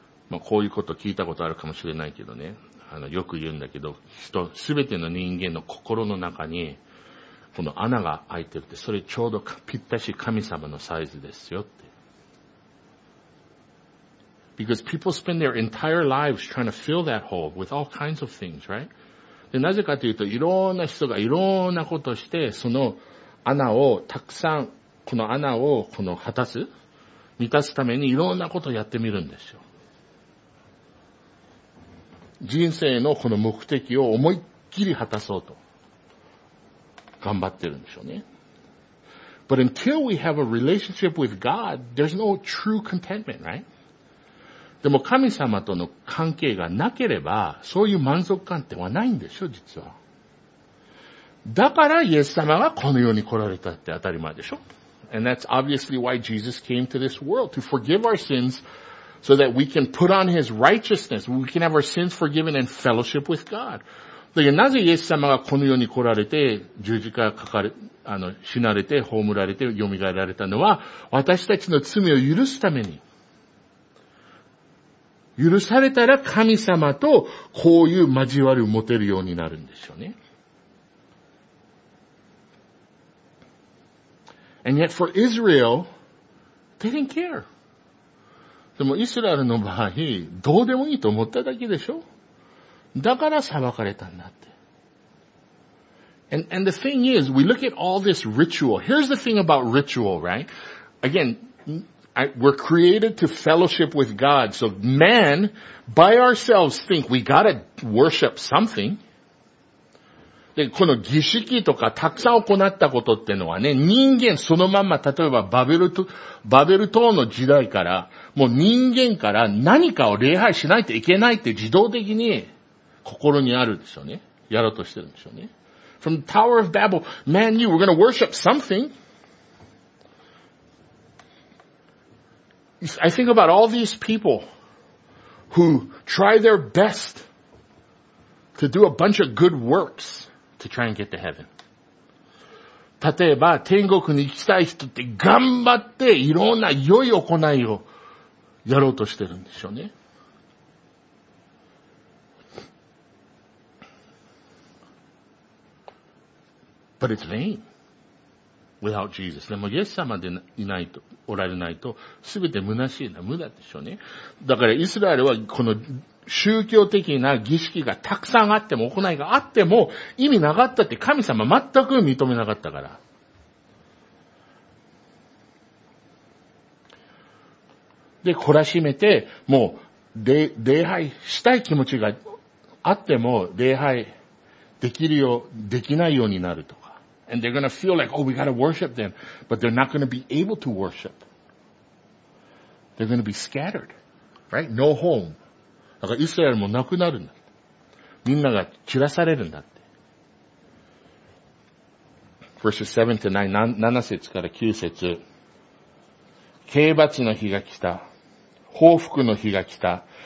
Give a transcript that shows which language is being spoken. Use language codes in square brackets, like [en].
[ja] まあ、こういうこと聞いたことあるかもしれないけどね。よく言うんだけど、すべての人間の心の中に、この穴が開いてるって、それちょうどぴったし神様のサイズですよって。 [en] Because people spend their entire lives trying to fill that hole with all kinds of things, right? [ja] で、なぜかというと、いろんな人がいろんなことして、その穴をたくさん、この穴をこの果たす、満たすためにいろんなことをやってみるんですよ。人生のこの目的を思いっきり果たそうと頑張ってるんでしょうね。 [en] But until we have a relationship with God, there's no true contentment, right? [ja] でも神様との関係がなければ、そういう満足感ってはないんでしょ、実は。だからイエス様がこの世に来られたって当たり前でしょ。 [en] And that's obviously why Jesus came to this world, to forgive our sins,So that we can put on His righteousness, we can have our sins forgiven and fellowship with God. [ja] だからなぜイエス様がこの世に来られて、十字架かかれ、死なれて、葬られて、蘇られたのは、私たちの罪を許すために。許されたら神様とこういう交わりを持てるようになるんでしょうね。 [en] And yet for Israel, they didn't care. [ja] でもイスラエルの場合、どうでもいいと思っただけでしょ？だから裁かれたんだって。 [en] And the thing is, we look at all this ritual. Here's the thing about ritual, right? Again, we're created to fellowship with God. So man, by ourselves, think we gotta worship something. [ja] で、この儀式とかたくさん行ったことってのはね、人間そのまま、例えばバベル塔の時代から、もう人間から何かを礼拝しないといけないって自動的に心にあるんでしょうね。やろうとしてるんでしょうね。 [en] From the Tower of Babel, man knew we're gonna worship something. I think about all these people who try their best to do a bunch of good works to try and get to heaven. [ja] 例えば天国に行きたい人って頑張っていろんな良い行いをやろうとしてるんでしょうね。 [en] But it's vain without Jesus. [ja] でもイエス様でいないと、おられないと、すべて虚しいな、無駄でしょうね。だからイスラエルはこの宗教的な儀式がたくさんあっても、行いがあっても、意味なかったって神様全く認めなかったから。で、懲らしめて、もう、礼拝したい気持ちがあっても、礼拝できるよう、できないようになると。 [en] And they're gonna feel like, oh, we gotta worship them. But they're not gonna be able to worship. They're gonna be scattered. Right? No home. [ja] だからイスラエルもなくなるんだって。みんなが散らされるんだって。 [en] Verses 7 to 9, [ja] 7節から9節。刑罰の日が来た。報復の日が来た。